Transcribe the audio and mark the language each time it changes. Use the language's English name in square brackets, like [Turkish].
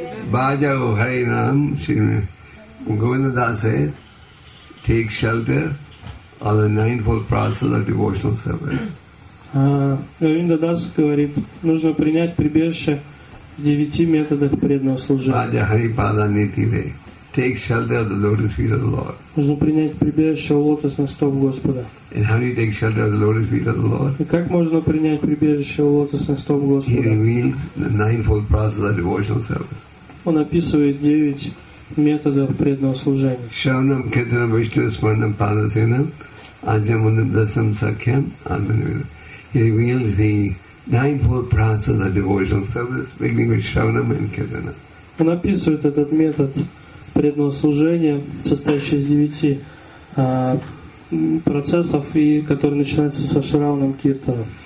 [Sanskrit] Bhajau Harinam, [English] Govinda Das says, take shelter of the ninefold process of devotional service. [Russian] Govinda Das говорит, нужно принять прибежище в девяти методах преданного служения. [Sanskrit] Bhaja Haripada Nitire, [English] take shelter of the lotus feet of the Lord. [Russian] Нужно принять прибежище у лотосных стоп Господа. [English] And how do you take shelter of the lotus feet of the Lord? [Russian] И как можно принять прибежище у лотосных стоп Господа? [English] He reveals the ninefold process of devotional service. [Russian] Он описывает девять методов преданного служения. [Sanskrit] Шравнам, кетанам, вишту, смарнам, падасенам, аджамунам, дасам, сакхям, адманвилам. [English] He reveals the ninefold process of devotional service, beginning with шравнам и кетанам. [Russian] Он описывает этот метод преданного служения, состоящий из девяти процессов, и который начинается со шравнам киртанам.